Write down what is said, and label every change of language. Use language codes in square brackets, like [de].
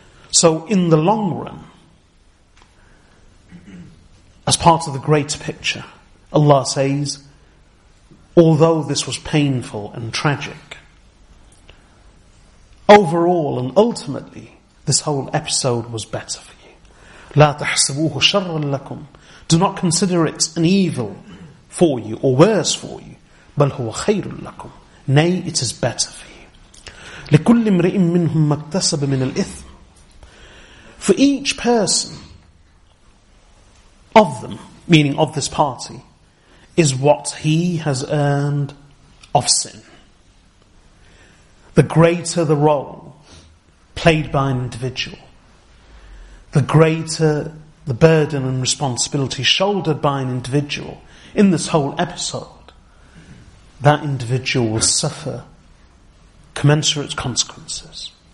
[en] So in the long run, as part of the greater picture, Allah says, although this was painful and tragic, overall and ultimately, this whole episode was better for you. [ar] لا تحسبوه شرا لكم. [en] Do not consider it an evil for you or worse for you. [ar] بل هو خير لكم. [en] Nay, it is better for you. [ar] لكل امرئ منهم ما اكتسب من الإثم. [en] For each person of them, meaning of this party, is what he has earned of sin. The greater the role played by an individual, the greater the burden and responsibility shouldered by an individual in this whole episode, that individual will suffer commensurate consequences.